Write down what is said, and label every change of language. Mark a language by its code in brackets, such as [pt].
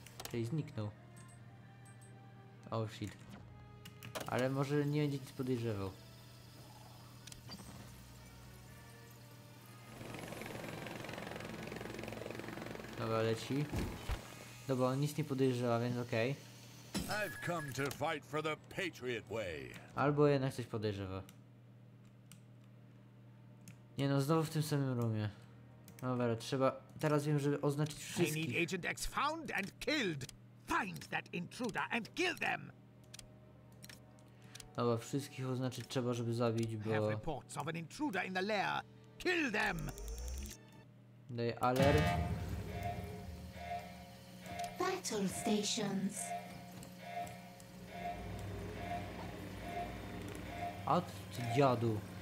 [pl] Czyli zniknął. Oh shit. Ale może nie będzie nic podejrzewał. Dobra, leci. Dobra, on nic nie podejrzewa, więc okej. [en] I've come to fight for the Patriot way. [pl] Albo jednak coś podejrzewa. Nie no, znowu w tym samym roomie. Dobra, trzeba. Teraz wiem, żeby oznaczyć wszystkich. [en] I need Agent X found and killed. Find that intruder and kill them. [pl] Dobra, wszystkich oznaczyć trzeba, żeby zabić, bo. [en] I have reports of an intruder in the lair. Kill them. Daj alert. Battle stations. [pl] A ty dziadu.